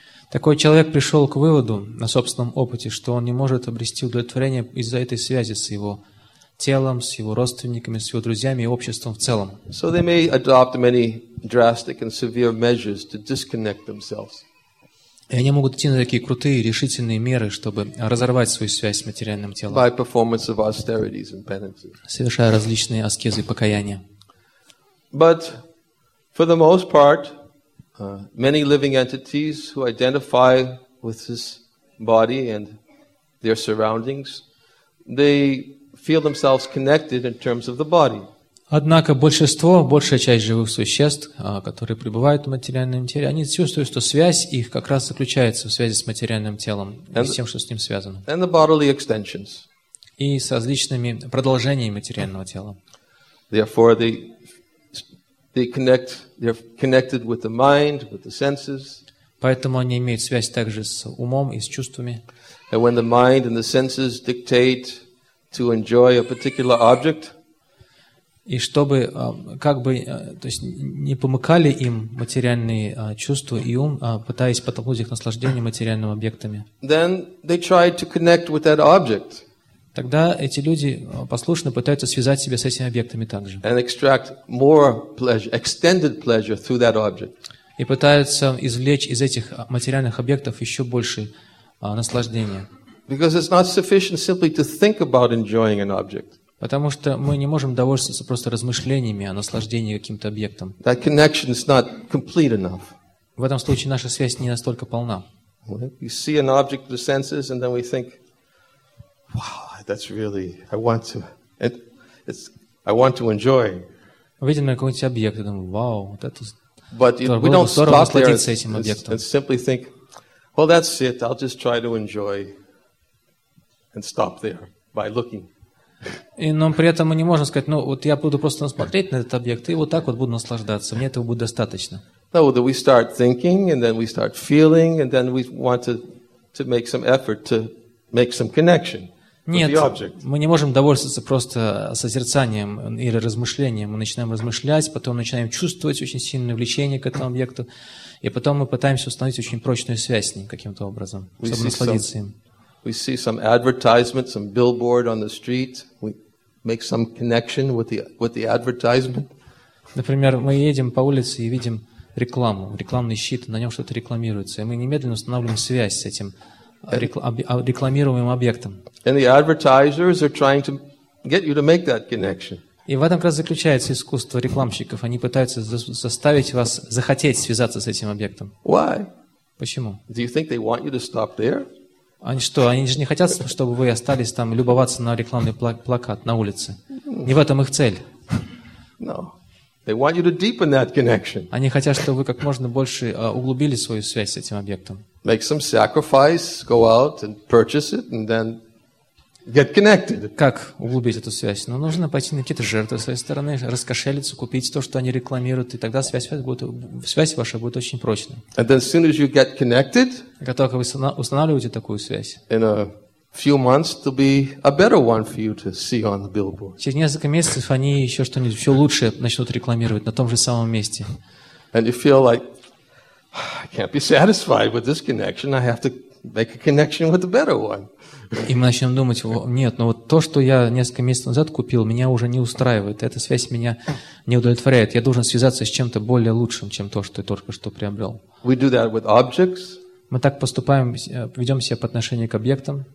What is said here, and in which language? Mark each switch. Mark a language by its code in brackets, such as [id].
[ru] Такой человек пришел к выводу на собственном опыте, что он не может обрести удовлетворение из-за этой связи с его телом, с его родственниками, с его друзьями и обществом в целом. [en] So they may adopt many drastic and severe measures to disconnect themselves. [ru] И они могут идти на такие крутые, решительные меры, чтобы разорвать свою связь с материальным телом. [en] By performance of austerities and penances. [ru] Совершая различные аскезы и покаяния. [en] But for the most part, many living entities who identify with this body and their surroundings, they feel themselves connected in terms of the body. [ru] Однако большинство, большая часть живых существ, которые пребывают в материальном теле, они чувствуют, что связь их как раз заключается в связи с материальным телом и с тем, что с ним связано. [en] And the bodily extensions. [ru] И с различными продолжениями материального тела. [en] Therefore, they're connected with the mind, with the senses. [ru] Поэтому они имеют связь также с умом и с чувствами. [en] And when the mind and the senses dictate to enjoy a particular object, [ru] и чтобы, как бы, то есть не помыкали им материальные чувства и ум, пытаясь подтолкнуть их наслаждение материальными объектами. [en] Then they try to connect with that object. [ru] Тогда эти люди послушно пытаются связать себя с этими объектами также. [en] And extract more pleasure, extended pleasure through that object. [ru] И пытаются извлечь из этих материальных объектов еще больше наслаждения. [en] Because it's not sufficient simply to think about enjoying an object. [ru] Потому что мы не можем довольствоваться просто размышлениями о наслаждении каким-то объектом. [en] That connection is not complete enough. [ru] В этом случае наша связь не настолько полна. [en] We see an object with the senses, and then we think, "Wow, that's really, I want to enjoy." [ru] Видим какой-то объект, и думаем, "Вау, вот это". [en] But we don't stop [ru] насладиться этим объектом. [en] And simply think, "Well, that's it. I'll just try to enjoy and stop there by looking." [ru] Но при этом мы не можем сказать, ну вот я буду просто смотреть на этот объект и вот так вот буду наслаждаться, мне этого будет достаточно. [en] No, well, we start thinking and then we start feeling and then we want to make some effort to make some connection with the object. [ru] Нет, мы не можем довольствоваться просто созерцанием или размышлением. Мы начинаем размышлять, потом начинаем чувствовать очень сильное влечение к этому объекту и потом мы пытаемся установить очень прочную связь с ним каким-то образом, чтобы насладиться им. [en] We see some advertisement, some billboard on the street. We make some connection with the advertisement. [ru] Например, мы едем по улице и видим рекламу, рекламный щит, на нем что-то рекламируется, и мы немедленно устанавливаем связь с этим рекламируемым объектом. [en] And the advertisers are trying to get you to make that connection. [ru] И в этом как раз заключается искусство рекламщиков. Они пытаются заставить вас захотеть связаться с этим объектом. [en] Why? [ru] Почему? [en] Do you think they want you to stop there? [ru] Они что, они же не хотят, чтобы вы остались там любоваться на рекламный плакат на улице. Не в этом их цель. [en] No. They want you to deepen that connection. [ru] Они хотят, чтобы вы как можно больше углубили свою связь с этим объектом. [en] Make some sacrifice, go out and purchase it, and then get connected. [ru] Как углубить эту связь? Ну, нужно пойти на какие-то жертвы с своей стороны, раскошелиться, купить то, что они рекламируют, и тогда связь ваша будет очень прочной. [en] And then, as soon as you get connected, [ru] как только вы устанавливаете такую связь, [en] in a few months, there'll be a better one for you to see on the billboard. [ru] Через несколько месяцев они еще что-нибудь еще лучшее начнут рекламировать на том же самом месте. And you feel like, I can't be satisfied with this connection, I have to make a connection with a better one. И мы начнем думать, нет, но вот то, что я несколько месяцев назад купил, меня уже не устраивает, эта связь меня не удовлетворяет. Я должен связаться с чем-то более лучшим, чем то, что я только что приобрел. [en] We do that with objects. [ru] Мы так поступаем, ведем себя по отношению к объектам.